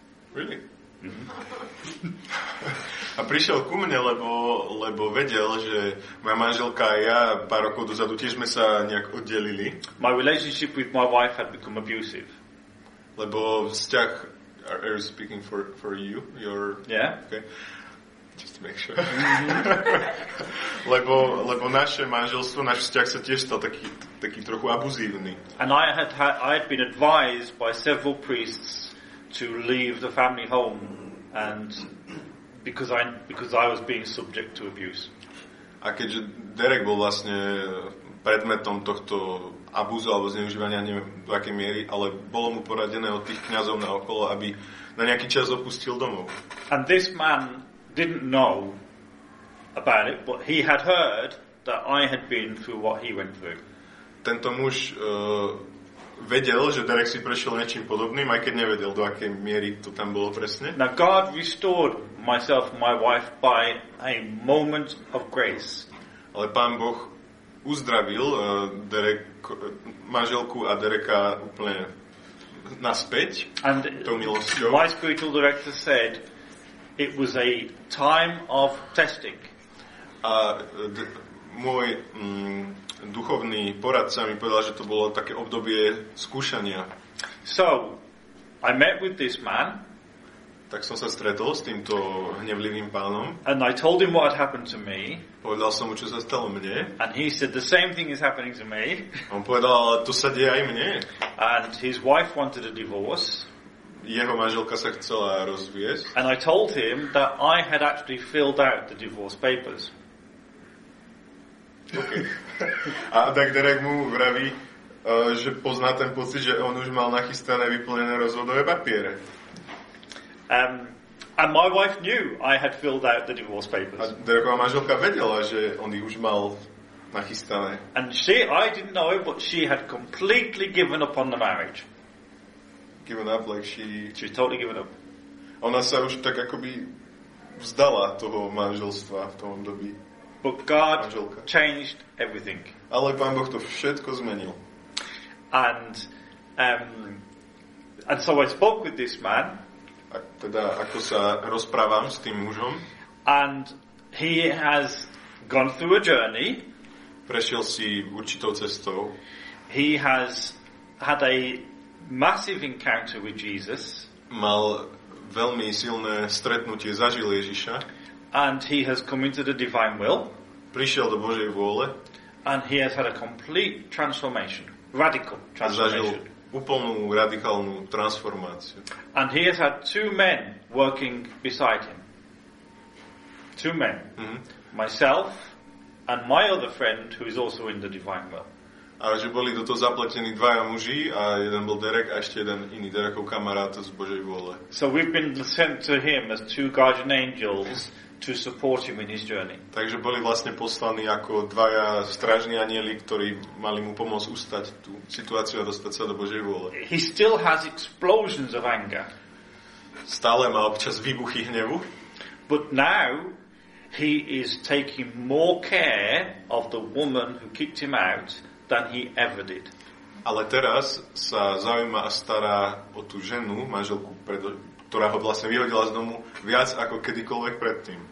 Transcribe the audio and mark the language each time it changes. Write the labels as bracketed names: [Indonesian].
[English] Really? [Slovak] Mm-hmm. A prišiel ku mne, lebo vedel, že moja manželka a ja pár rokov dozadu tiež sme sa nejak oddelili. [English] My relationship with my wife had become abusive. [Slovak] Lebo vzťah, [English] are you speaking for you? Your, yeah. Okay. Just to make sure. [Slovak] lebo naše manželstvo, náš vzťah sa tiež stal taký trochu abuzívny. [English] And I had been advised by several priests to leave the family home and because I was being subject to abuse. [Slovak] A keďže Derek bol vlastne predmetom tohto abúzu alebo zneužívania, neviem do akej miery, ale bolo mu poradené od tých kňazov na okolo, aby na nejaký čas opustil domov. [English] And this man didn't know about it, but he had heard that I had been through what he went through. [Slovak] Tento muž vedel, že Derek si prešiel niečím podobným, aj keď nevedel, do akej miery to tam bolo presne. [English] Now God restored myself and my wife by a moment of grace. [Slovak] Ale Pán Boh uzdravil Derek, manželku a Dereka úplne naspäť tou milosťou. [English] My spiritual director said it was a time of testing. [Slovak] A môj duchovný poradca mi povedal, že to bolo také obdobie skúšania. [English] So, I met with this man. [Slovak] Tak som sa stretol s týmto hnevlivým pánom. [English] And I told him what had happened to me. [Slovak] Povedal som mu, čo sa stalo mne. [English] And he said, the same thing is happening to me. [Slovak] On povedal, to sa deje aj mne. [English] And his wife wanted a divorce. [Slovak] Jeho manželka sa chcela rozviesť. [English] And I told him that I had actually filled out the divorce papers. [Slovak] Okay. A tak Derek mu vraví, že pozná ten pocit, že on už mal nachystané vyplnené rozvodové papiere. [English] And my wife knew I had filled out the divorce papers. [Slovak] A Dereková manželka vedela, že on ich už mal nachystané. [English] And she, I didn't know it, but she had completely given up on the marriage. Given up, like she... She was totally given up. [Slovak] Ona sa už tak akoby vzdala toho manželstva v tom dobi. [English] But God [Slovak] manželka [English] changed everything. [Slovak] Ale Pán Boh to všetko zmenil. [English] And so I spoke with this man. [Slovak] A teda ako sa rozprávam s tým mužom. [English] And he has gone through a journey. [Slovak] Prešiel si určitou cestou. [English] He has had a massive encounter with Jesus. [Slovak] Mal veľmi silné stretnutie, zažil Ježiša. [English] And he has come into the divine will. [Slovak] Prišiel do Božej vôle. [English] And he has had a complete transformation. Radical transformation. [Slovak] Zažil úplnú radikálnu transformáciu. [English] And he has had two men working beside him. Two men. Mm-hmm. Myself and my other friend who is also in the divine will. [Slovak] A že boli do toho zapletení dvaja muži a jeden bol Derek a ešte jeden iný Derekov kamarát z Božej vôle. [English] So we've been sent to him as two guardian angels to support him in his journey. [Slovak] Takže boli vlastne poslaní ako dvaja strážni anieli, ktorí mali mu pomôcť ustať tú situáciu a dostať sa do Božej vôle. [English] He still has explosions of anger. [Slovak] Stále má občas výbuchy hnevu. [English] But now he is taking more care of the woman who kicked him out than he ever did. [Slovak] Ale teraz sa zaujíma a stará o tú ženu, manželku, ktorá ho vlastne vyhodila z domu viac ako kedykoľvek predtým.